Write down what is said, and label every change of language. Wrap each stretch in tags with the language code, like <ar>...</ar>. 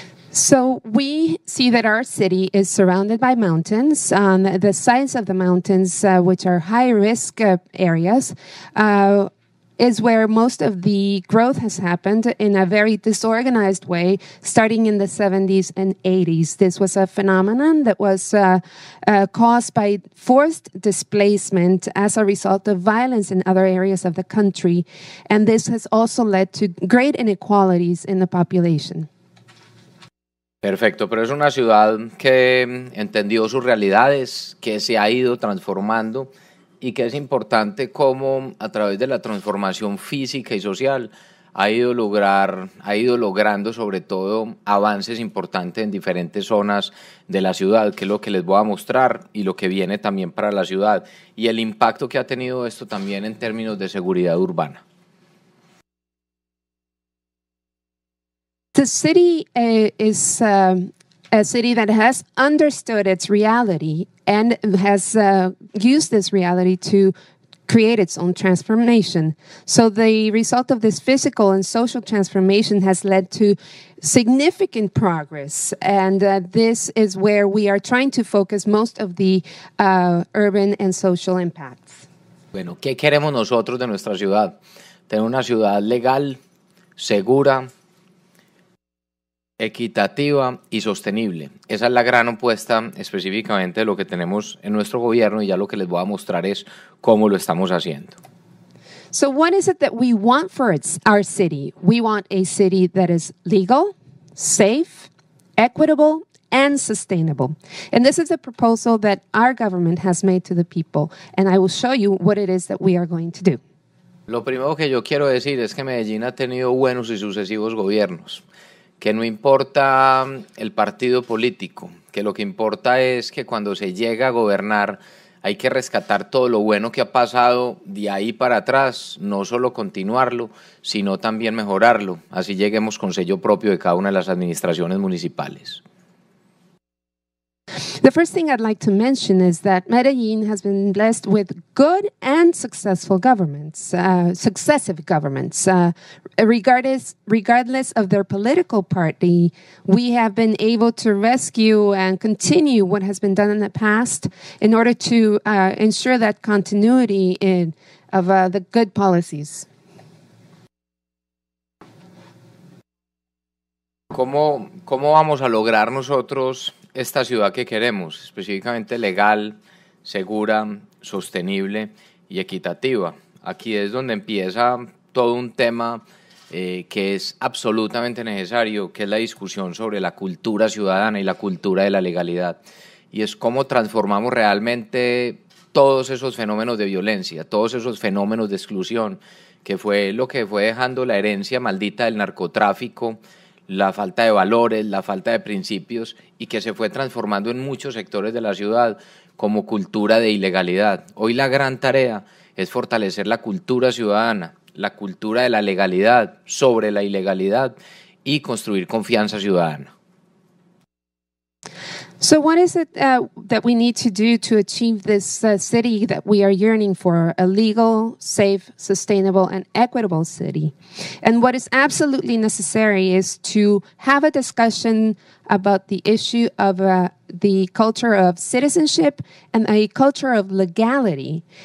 <en>So we see that our city is surrounded by mountains. On the sides of the mountains, which are high-risk areas, is where most of the growth has happened in a very disorganized way, starting in the 70s and 80s. This was a phenomenon that was caused by forced displacement as a result of violence in other areas of the country. And this has also led to great inequalities in the population.</en> <es>Perfecto, pero es una ciudad que entendió sus realidades, que se ha ido transformando y que es importante cómo a través de la transformación física y social ha ido logrando sobre todo avances importantes en diferentes zonas de la ciudad, que es lo que les voy a mostrar y lo que viene también para la ciudad y el impacto que ha tenido esto también en términos de seguridad urbana.</es> <en>The city is a city that has understood its reality and has used this reality to create its own transformation. So the result of this physical and social transformation has led to significant progress. And this is where we are trying to focus most of the urban and social impacts.</en> <es>Bueno, ¿qué queremos nosotros de nuestra ciudad? Tener una ciudad legal, segura, equitativa y sostenible. Esa es la gran opuesta específicamente de lo que tenemos en nuestro gobierno y ya lo que les voy a mostrar es cómo lo estamos haciendo.</es> <en>So what is it that we want for our city? We want a city that is legal, safe, equitable, and sustainable. And this is a proposal that our government has made to the people, and I will show you what it is that we are going to do.</en> <es>Lo primero que yo quiero decir es que Medellín ha tenido buenos y sucesivos gobiernos. Que no importa el partido político, que lo que importa es que cuando se llega a gobernar hay que rescatar todo lo bueno que ha pasado de ahí para atrás, no solo continuarlo, sino también mejorarlo. Así lleguemos con sello propio de cada una de las administraciones municipales.</es> <en>The first thing I'd like to mention is that Medellín has been blessed with good and successful governments, successive governments. Regardless of their political party, we have been able to rescue and continue what has been done in the past in order to ensure that continuity of the good policies.</en> <es>¿Cómo vamos a lograr nosotros esta ciudad que queremos, específicamente legal, segura, sostenible y equitativa? Aquí es donde empieza todo un tema que es absolutamente necesario, que es la discusión sobre la cultura ciudadana y la cultura de la legalidad. Y es cómo transformamos realmente todos esos fenómenos de violencia, todos esos fenómenos de exclusión, que fue lo que fue dejando la herencia maldita del narcotráfico, la falta de valores, la falta de principios y que se fue transformando en muchos sectores de la ciudad como cultura de ilegalidad. Hoy la gran tarea es fortalecer la cultura ciudadana, la cultura de la legalidad sobre la ilegalidad y construir confianza ciudadana.</es> <en>So what is it that we need to do to achieve this city that we are yearning for, a legal, safe, sustainable, and equitable city? And what is absolutely necessary is to have a discussion about the issue of the culture of citizenship and a culture of legality.</en>